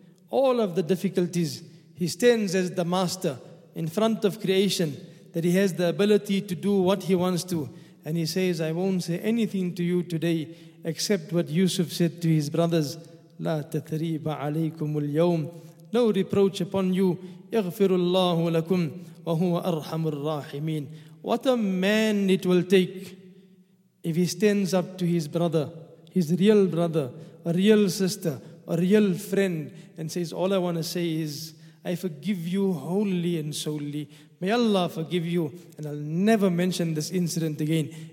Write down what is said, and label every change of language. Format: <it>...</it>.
<en>All of the difficulties, he stands as the master in front of creation, that he has the ability to do what he wants to. And he says, I won't say anything to you today except what Yusuf said to his brothers.</en> <ar>لا تثريب عليكم اليوم.</ar> <en>No reproach upon you.</en> <ar>يغفر الله لكم وهو أرحم الراحمين.</ar> <en>What a man it will take if he stands up to his brother, his real brother, a real sister, a real friend, and says, all I want to say is, I forgive you wholly and solely. May Allah forgive you, and I'll never mention this incident again.</en>